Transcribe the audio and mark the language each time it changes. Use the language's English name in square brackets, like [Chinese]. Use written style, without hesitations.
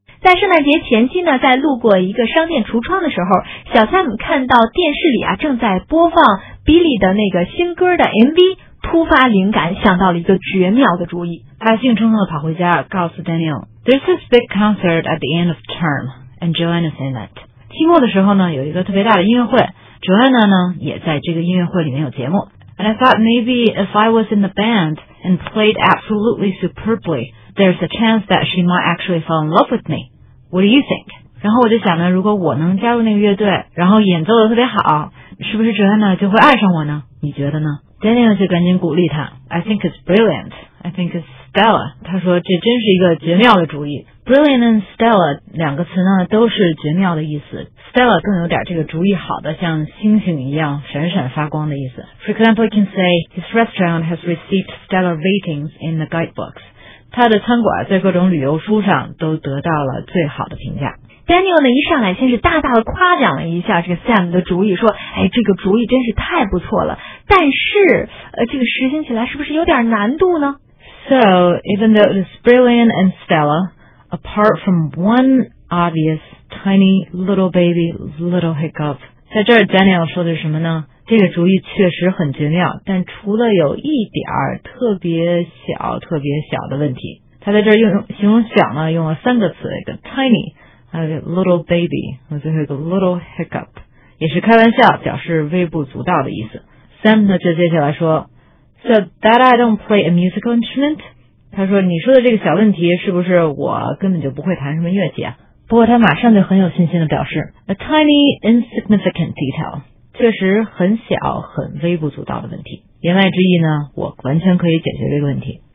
[Chinese] 在圣诞节前夕呢，在路过一个商店橱窗的时候，小Sam看到电视里啊正在播放 Billy 的那个新歌的 MV， 突发灵感，想到了一个绝妙的主意。他兴冲冲地跑回家，告诉 Daniel， [English] There's this big concert at the end of term and Joanna's in it。 [Chinese] 期末的时候呢，有一个特别大的音乐会， Joanna 呢也在这个音乐会里面有节目。 [English] And I thought maybe if I was in the band and played absolutely superbly,There's a chance that she might actually fall in love with me. What do you think? [Chinese] 然后我就想呢，如果我能加入那个乐队，然后演奏得特别好，是不是 Joanna 就会爱上我呢？你觉得呢？Daniel 就赶紧鼓励他。 [English] I think it's brilliant. I think it's stellar. [Chinese] 他说这真是一个绝妙的主意。 Brilliant and stellar 两个词呢都是绝妙的意思。 Stellar 更有点这个主意好的，像星星一样闪闪发光的意思。 [English] For example, you can say his restaurant has received stellar ratings in the guidebooks. [Chinese] 他的餐馆在各种旅游书上都得到了最好的评价。 Daniel 呢，一上来先是大大的夸奖了一下这个 Sam 的主意，说：“哎，这个主意真是太不错了。” 但是，这个实行起来是不是有点难度呢 [English] ？So even though it's brilliant and stellar, apart from one obvious tiny little baby little hiccup， [Chinese] 在这儿 Daniel 说的是什么呢？这个主意确实很绝妙，但除了有一点特别小、特别小的问题，他在这儿用形容小呢，用了三个词，一个 tiny， 还有 little baby， 和最后一个 little hiccup， 也是开玩笑，表示微不足道的意思。 Sam 呢就接下来说 [English] ，So that I don't play a musical instrument？ [Chinese] 他说你说的这个小问题是不是我根本就不会弹什么乐器啊？不过他马上就很有信心的表示 ， [English] A tiny insignificant detail。 [Chinese] 确实很小，很微不足道的问题。言外之意呢，我完全可以解决这个问题。